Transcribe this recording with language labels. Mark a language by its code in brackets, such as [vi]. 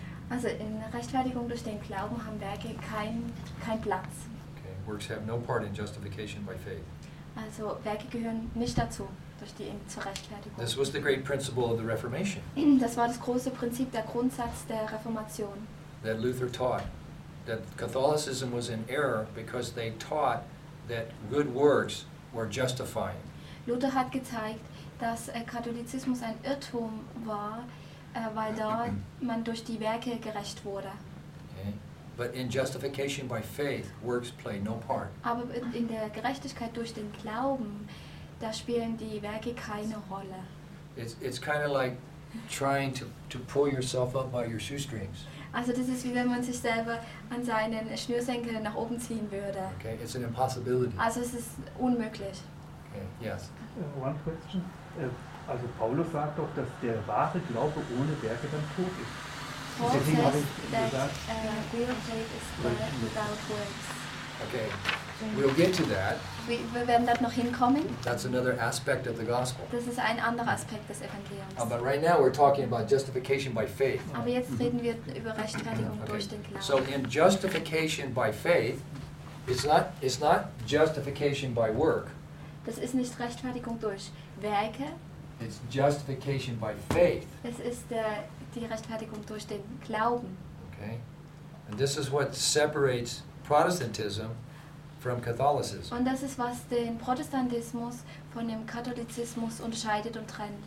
[de] Also in Rechtfertigung durch den Glauben haben Werke kein Platz. [en] Okay. Works have no part in justification by faith. [de] Also Werke gehören nicht dazu, durch die zur Rechtfertigung. [en] This was the great principle of the Reformation. [de] Das war das große Prinzip, der Grundsatz der Reformation. [en] That Luther taught. That Catholicism was in error because they taught that good works were justifying. [de] Luther hat gezeigt, dass Katholizismus ein Irrtum war, weil da man durch die Werke gerecht wurde. [en] Okay. But in justification by faith, works play no part. [de] Aber in der Gerechtigkeit durch den Glauben, da spielen die Werke keine Rolle. [en] It's kind of like trying to pull yourself up by your shoestrings. [de] Also das ist wie wenn man sich selber an seinen Schnürsenkeln nach oben ziehen würde. [en] Okay, it's an impossibility. [de] Also es ist unmöglich. [en] Okay, yes. One question. [de] Also Paulus sagt doch, dass der wahre Glaube ohne Werke dann tot ist. [en] Paul says that real faith is without works. Okay, we'll get to that. [de] Wir werden dort noch hinkommen. [en] That's another aspect of the gospel. [de] Das ist ein anderer Aspekt des Evangeliums. [en] But right now we're talking about justification by faith. [de] Aber jetzt reden wir über Rechtfertigung durch den Glauben. [en] So in justification by faith, it's not justification by work. [de] Das ist nicht Rechtfertigung durch Werke. [en] It's justification by faith. [de] Es ist die Rechtfertigung durch den Glauben. [en] Okay. And this is what separates Protestantism from Catholicism. [de] Und das ist was den Protestantismus von dem Katholizismus unterscheidet und trennt.